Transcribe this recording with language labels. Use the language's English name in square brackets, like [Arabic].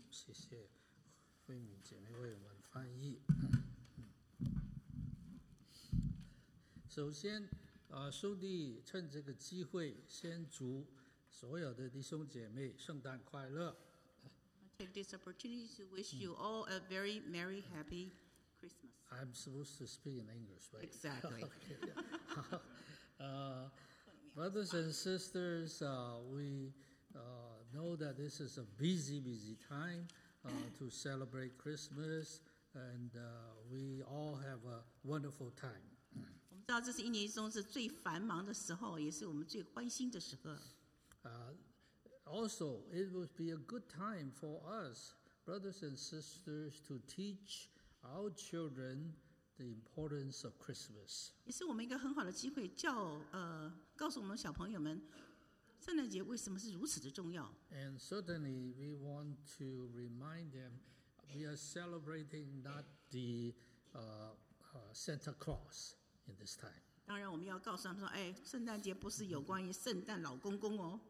[Chinese] 谢谢慧敏姐妹为我们翻译。首先兄弟趁这个机会先祝所有的弟兄姐妹圣诞快乐。 [English] Take this opportunity to wish you all a very merry happy Christmas. I'm supposed to speak in English, right? Exactly. Okay, brothers and sisters, we know that this is a busy time to celebrate Christmas, and we all have a wonderful time. [Chinese] 我们知道这是一年中是最繁忙的时候，也是我们最欢欣的时候。 [English] Also, it would be a good time for us, brothers and sisters, to teach our children the importance of Christmas. [Chinese] 也是我们一个很好的机会，告诉我们小朋友们，圣诞节为什么是如此的重要。 [English] And certainly, we want to remind them, we are celebrating not the Santa Claus in this time. [Chinese] 当然我们要告诉他们说，哎，圣诞节不是有关于圣诞老公公哦。